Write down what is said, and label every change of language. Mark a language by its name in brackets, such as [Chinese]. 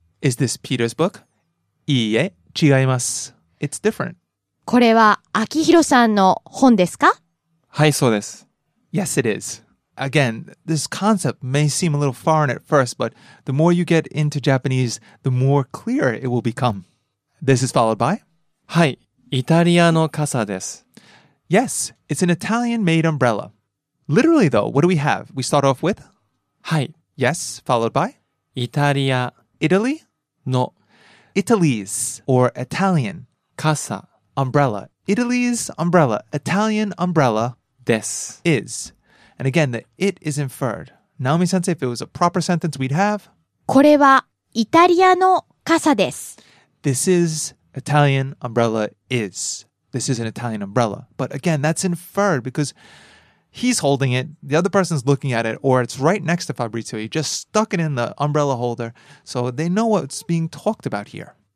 [English] Is this Peter's book? [Japanese] いいえ、違います。 [English] It's different. [Japanese] これは Akihiro さんの本ですか? はい、そうです。 [English] Yes, it is. Again, this concept may seem a little foreign at first, but the more you get into Japanese, the more clear it will become. This is followed by? [Japanese] はい、イタリアの傘です。 [English] Yes, it's an Italian-made umbrella. Literally, though, what do we have? We start off with? [Japanese] はい。 [English] Yes, followed by? [Japanese] イタリア。 [English] Italy? [Japanese] の。 [English] Italy's, or Italian. [Japanese] 傘。 [English] Umbrella. Italy's umbrella. Italian umbrella. [Japanese] です。 [English] Is. And again, the it is inferred. Naomi-sensei, if it was a proper sentence, we'd have... [Japanese] これはイタリアの傘です。 [English] This is Italian umbrella is. This is an Italian umbrella. But again, that's inferred because he's holding it, the other person's looking at it, or it's right next to Fabrizio. He just stuck it in the umbrella holder, so they know what's being talked about here.